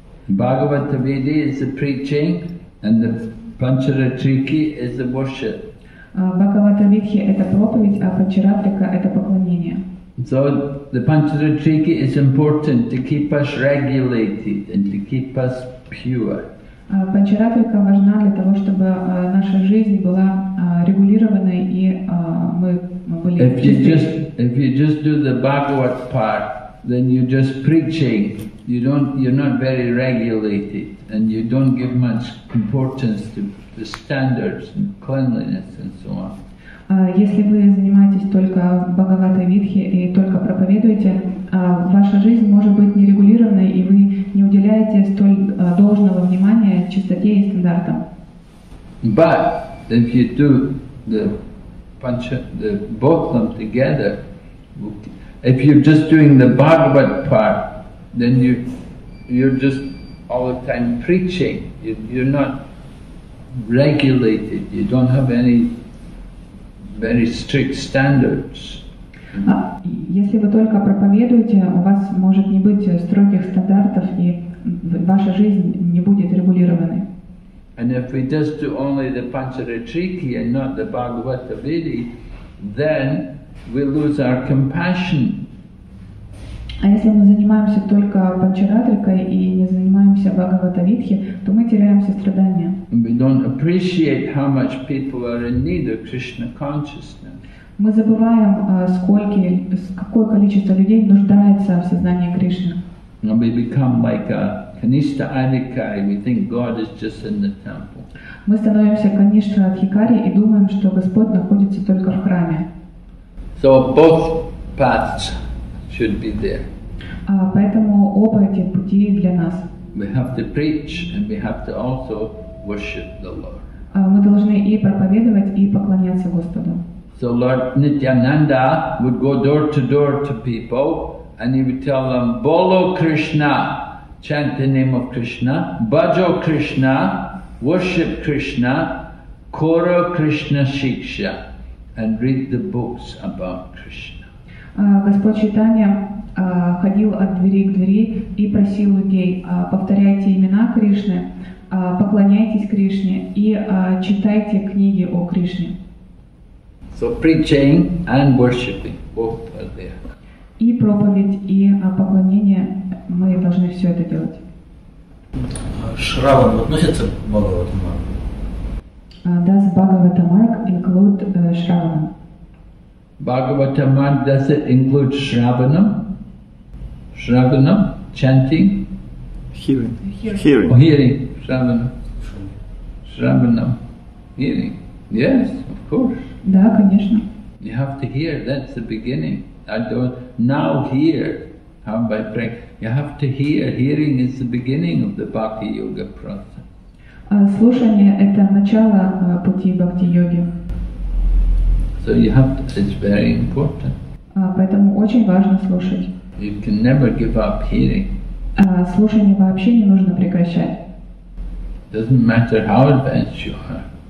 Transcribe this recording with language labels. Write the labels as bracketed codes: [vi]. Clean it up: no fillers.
[en] Bhagavata Vidhi is the preaching, and the Pancharatriki is the worship. [ru] Bhagavata Vidhi – это проповедь, а Pancharatrika – это поклонение. [en] So the Pancharatriki is important to keep us regulated and to keep us pure. [ru] Pancharatrika важна для того, чтобы наша жизнь была регулированной и мы были чистыми. [en] If you just do the Bhagavat part, then you're just preaching. You're not very regulated, and you don't give much importance to the standards and cleanliness and so on. [ru] Если вы занимаетесь только Бхагаватой Видхи и только проповедуете, ваша жизнь может быть нерегулированной, и вы не уделяете столь должного внимания чистоте и стандартам. [en] But if you do the pancha, the both them together, if you're just doing the Bhagavat part, then you're just all the time preaching. You're not regulated. You don't have any very strict standards. [ru] Если вы только проповедуете, у вас может не быть строгих стандартов, и ваша жизнь не будет регулированной. [en] And if we just do only the Pancharatriki and not the Bhagavata Vidhi, then we lose our compassion. [ru] А если мы занимаемся только Панчаратрикой и не занимаемся Бхагавата Видхи, то мы теряем сострадание. [en] We don't appreciate how much people are in need of Krishna consciousness. [ru] Мы забываем, какое количество людей нуждается в сознании Кришны. [en] And we become like a Kanishtha Adhikari, we think God is just in the temple. [ru] Мы становимся Kanishtha Adhikari и думаем, что Господь находится только в храме. [en] So both paths should be there. [ru] Поэтому оба эти пути для нас. [en] We have to preach and we have to also worship the Lord. [ru] Мы должны и проповедовать, и поклоняться Господу. [en] So Lord Nityananda would go door to door to people and he would tell them, [bn] Bolo Krishna, [en] chant the name of Krishna, [bn] Bajo Krishna, [en] worship Krishna, [bn] Koro Krishna Shiksha, [en] and read the books about Krishna. [ru] Господь Чайтанья ходил от двери к двери и просил людей, повторяйте имена Кришны, поклоняйтесь Кришне и читайте книги о Кришне. [en] So preaching and worshiping both are there. [ru] И проповедь, и поклонение, мы должны все это делать. Шраван относится к Бхагаватамарг? [en] Does Бхагаватамарг include Шраванам? Бхагаватамарг, does it include Шраванам? Шраванам? Chanting? Hearing. Oh, hearing. Шраванам. Шраванам. Hearing. Yes, of course. [ru] Да, конечно. [en] You have to hear, that's the beginning. I don't now hear how by praying. You have to hear. Hearing is the beginning of the Bhakti Yoga process. [ru] Слушание это начало пути Бхакти Йоги. [en] So you have to, it's very important. [ru] Поэтому очень важно слушать. [en] You can never give up hearing. [ru] Слушание вообще не нужно прекращать. [en] Doesn't matter how advanced you are.